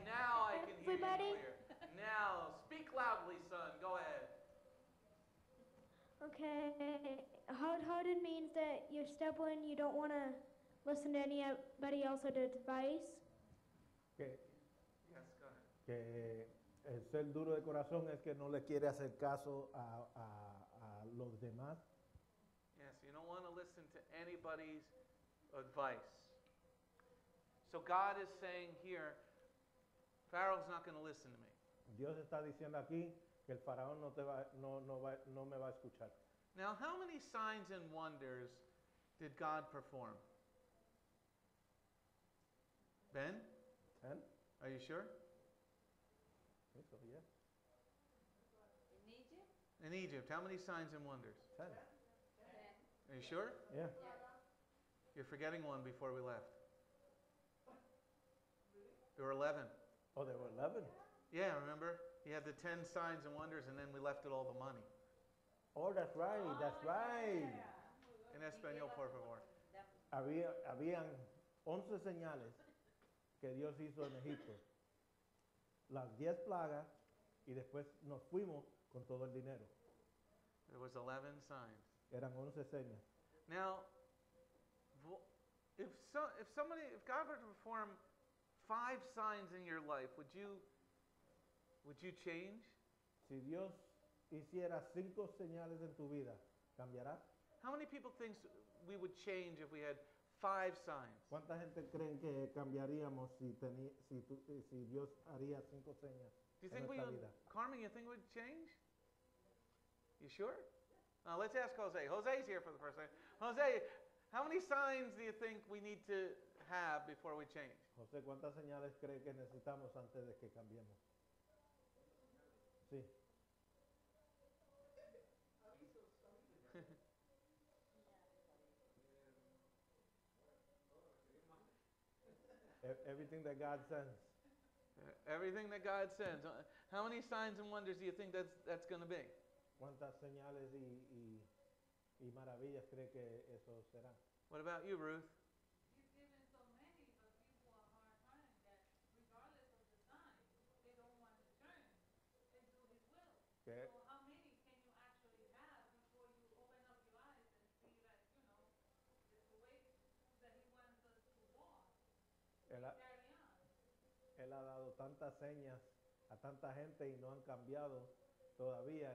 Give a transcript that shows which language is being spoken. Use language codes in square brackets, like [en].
[en] Now I can hear everybody? You clear. Now, speak loudly, son. Go ahead. Okay. Hard-hearted means that you're stubborn, you don't want to listen to anybody else's advice. Okay. Yes, go ahead. Okay. [es] El ser duro de corazón es que no le quiere hacer caso a los demás. [en] Yes, you don't want to listen to anybody's advice. So God is saying here, Pharaoh's not going to listen to me. [es] Dios está diciendo aquí que el faraón no me va a escuchar. [en] Now, how many signs and wonders did God perform? Ben? 10. Are you sure? So, yeah. In Egypt, how many signs and wonders? 10. Are you sure? Yeah. You're forgetting one before we left. There were 11. Oh, there were 11? Yeah, remember? He had the 10 signs and wonders, and then we left it all the money. Oh, that's right. That's right. [es] En español, por favor. Habían 11 señales que Dios hizo en Egipto. Las 10 plagas, y después nos fuimos con todo el dinero. [en] There was 11 signs. [es] Eran 11 señas. [en] Now, if God were to perform 5 signs in your life, would you change? [es] Si Dios hiciera 5 señales en tu vida, ¿cambiará? [en] How many people think we would change if we had 5 signs? [es] ¿Cuánta gente creen que cambiaríamos si Dios haría 5 señas? [en] Do you think we would, Carmen, you think we'd change? You sure? Now let's ask Jose. Jose's here for the first time. Jose, how many signs do you think we need to have before we change? [es] Jose, ¿cuántas señales cree que necesitamos antes de que cambiemos? Sí. [en] Everything that God sends. Everything that God sends. How many signs and wonders do you think that's going to be? [es] ¿Cuántas señales y y maravillas cree que eso será. [en] What about you, Ruth? Okay. So how many can you actually have before you open up your eyes and see that, you know, the way that he wants us to walk? Carry on. [es] Él ha dado tantas señas a tanta gente y no han cambiado todavía.